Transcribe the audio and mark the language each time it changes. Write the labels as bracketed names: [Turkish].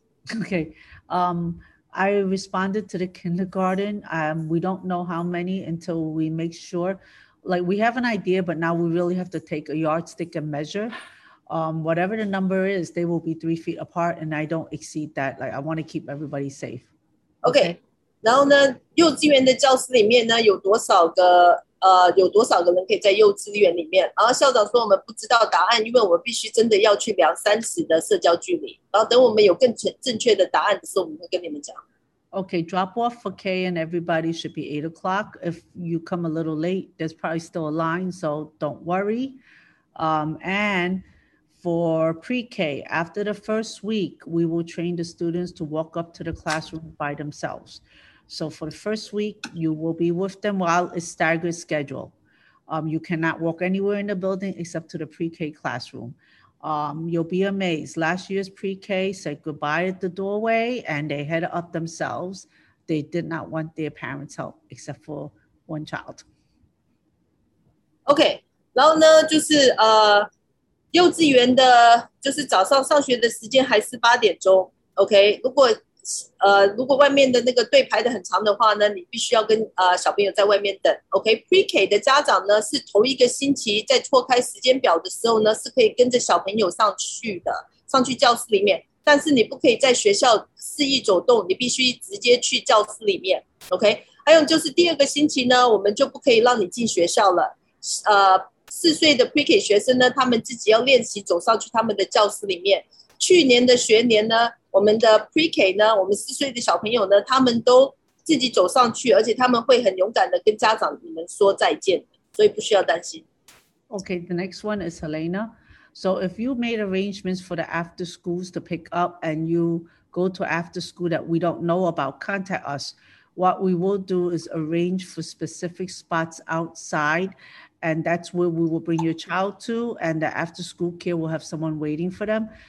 [English] Okay, I responded to the kindergarten. We don't know how many until we make sure. Like, we have an idea, but now we really have to take a yardstick and measure. Whatever the number is, they will be 3 feet apart, and I don't exceed that. Like, I want to keep everybody safe. Okay. [Chinese] 然后呢，幼稚园的教室里面呢，有多少个人可以在幼稚园里面？然后校长说我们不知道答案，因为我们必须真的要去量三尺的社交距离。然后等我们有更正确的答案的时候，我们会跟你们讲。 [English] Okay, drop off for K and everybody should be 8 o'clock. If you come a little late, there's probably still a line, so don't worry. And for pre-K, after the first week, we will train the students to walk up to the classroom by themselves. So for the first week, you will be with them while it's staggered schedule. You cannot walk anywhere in the building except to the pre-K classroom. You'll be amazed. Last year's pre-K said goodbye at the doorway and they headed up themselves. They did not want their parents' help except for one child. Okay. [Chinese] 然后呢，就是幼稚园的，就是早上上学的时间还是八点钟。 Okay. 如果外面的那个队排得很长的话呢，你必须要跟小朋友在外面等。 OK, pre-K 的家长呢是头一个星期在错开时间表的时候呢是可以跟着小朋友上去的，上去教室里面。但是你不可以在学校肆意走动，你必须直接去教室里面。 OK, 还有就是第二个星期呢，我们就不可以让你进学校了。四岁的 pre-K 学生呢，他们自己要练习走上去他们的教室里面。去年的学年呢，我们的 pre-K 呢，我们四岁的小朋友呢，他们都自己走上去，而且他们会很勇敢的跟家长你们说再见，所以不需要担心。 [English] Okay, the next one is Helena. So if you made arrangements for the after schools to pick up and you go to after school that we don't know about, contact us. What we will do is arrange for specific spots outside, and that's where we will bring your child to, and the after school care will have someone waiting for them.